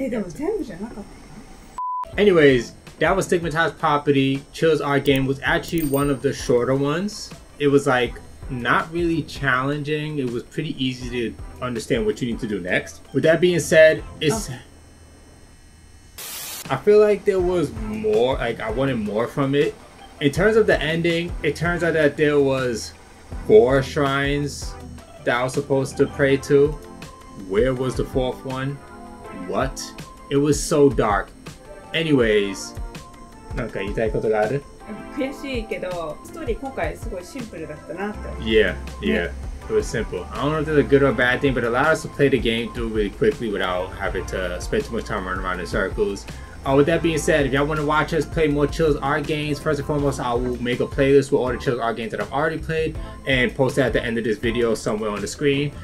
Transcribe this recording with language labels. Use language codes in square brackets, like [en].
[ja] え、でも全部じゃなかった。 [en] Anyways. That was Stigmatized Property. Chill's Art Game was actually one of the shorter ones. It was like not really challenging. It was pretty easy to understand what you need to do next. With that being said, it's...、Oh. I feel like there was more, like I wanted more from it. In terms of the ending, it turns out that there was four shrines that I was supposed to pray to. Where was the fourth one? What? It was so dark. [ja] Anyways, なんか言いたいことがある? 悔しいけど、ストーリー今回すごいシンプルだったなって。 [en] Yeah, yeah.、ねIt was simple. I don't know if it's a good or a bad thing, but it allowed us to play the game through really quickly without having to spend too much time running around in circles. With that being said, if y'all want to watch us play more Chills Art games, first and foremost, I will make a playlist with all the Chills Art games that I've already played and post that at the end of this video somewhere on the screen.